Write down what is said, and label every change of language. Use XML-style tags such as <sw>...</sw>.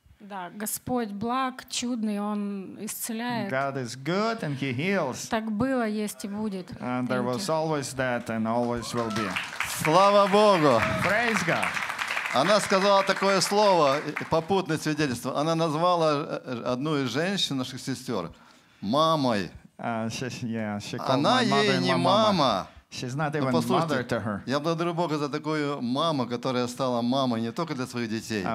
<ru>Да, Господь благ, чудный, Он исцеляет.</ru> <en>God is good and He heals.</en> <ru>Так было, есть и будет.</ru> <en>And there was always that and always will be.</en> <ru>Слава Богу!</ru> <en>Praise God!</en> <ru>Она сказала такое слово, попутное свидетельство. Она назвала одну из женщин наших сестер мамой. Она ей не мама.</ru> <en>She's not even mother to her.</en> <ru>Я благодарю Бога за такую маму, которая стала мамой не только для своих детей.</ru>